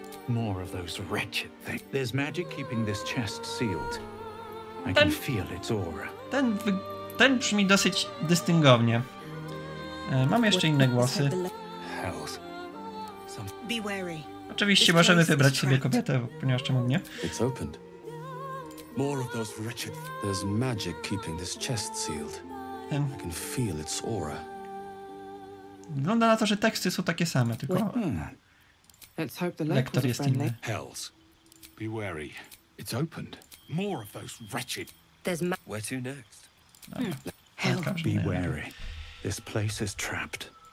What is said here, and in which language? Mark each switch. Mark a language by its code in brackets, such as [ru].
[en] More of those wretched things. There's magic keeping this chest sealed. I can feel its aura. [pl] Ten brzmi dosyć dystyngownie. Mam jeszcze inne głosy. [en] Health. Be wary. [pl] Oczywiście możemy wybrać sobie kobietę, ponieważ czemu nie? [en] It's opened. More of those wretched. There's magic keeping this chest sealed. I can feel its aura. [pl] Wygląda na to, że teksty są takie same, tylko lektor jest inny. [en] Hells, be wary. It's opened. More of those wretched. There's ma- Where to next? Hells, be wary. This place is trapped.